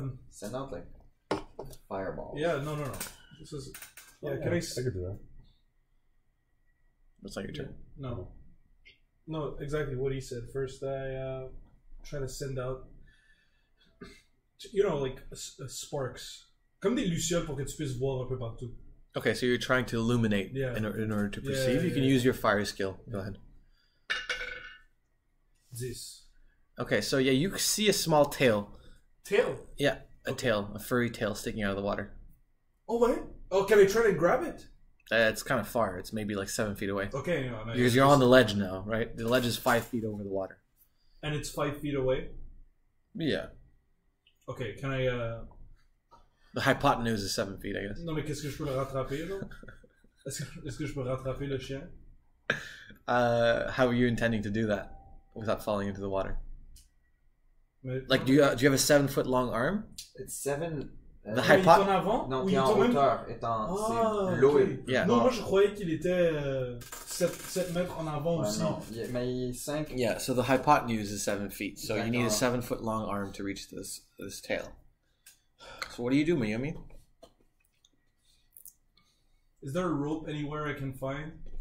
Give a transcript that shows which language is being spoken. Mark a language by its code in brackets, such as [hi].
[en] send out like fireball. Yeah, no. This is. Yeah, can I see? I could do that. That's not your turn. No. No, exactly what he said. First, try to send out, you know, like sparks. [fr] Comme des lucioles pour que tu puisses voir un peu partout. [en] Okay, so you're trying to illuminate in order to perceive. Yeah, you can use your fire skill. Yeah. Go ahead. This. Okay, so yeah, you see a small tail. Tail? Yeah, tail, a furry tail sticking out of the water. Oh, wait. Oh, can I try to grab it? It's kind of far. It's maybe like 7 feet away. Okay, yeah, nice. Because you're on the ledge now, right? The ledge is 5 feet over the water. And it's 5 feet away? Yeah. Okay, can I... The hypotenuse is 7 feet, I guess. [fr] Non, mais qu'est-ce que je peux le rattraper, là? Est-ce que je peux rattraper le chien? [en] How are you intending to do that without falling into the water? [fr] Mais, [en] like, do you have a 7 foot long arm? It's seven... The hypotenuse... [fr] Il est en avant? Non, il est en hauteur. C'est l'eau. [en] Okay. Yeah. [fr] Non, moi, je croyais qu'il était 7 mètres en avant aussi. Non, mais il est 5... [en] Yeah, so the hypotenuse is 7 feet. So you need a 7 foot long arm to reach this tail. So what do you do, Miami? Is there a rope anywhere I can find?